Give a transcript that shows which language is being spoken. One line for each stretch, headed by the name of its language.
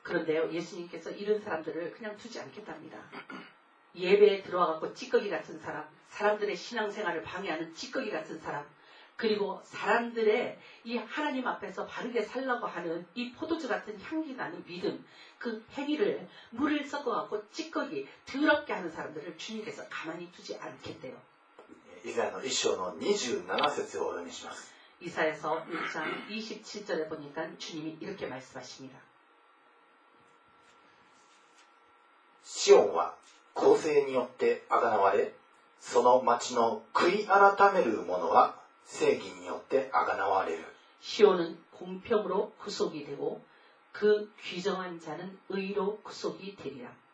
Korean: 그런데요예수님께서이런사람들을그냥두지않겠답니다예배에들어와갖고찌꺼기같은사람사람들의신앙생활을방해하는찌꺼기같은사람그리고사람들의이하나님앞에서바르게살라고하는이포도주같은향기나는믿음그행위를물을섞어갖고찌꺼기더럽게하는사람들을주님께서가만히두지않겠대요
Japanese: 이사야の1章の27節をお読みします。
Korean: 이사야서1장27절에보니까주님이이렇게말씀하십니다
Japanese: 시온は公正によってあがなわれその町の悔い改める者は正義によってあがなわれる
Korean: 시온은공평으로구속이되고그귀정한자는의로구속이되리라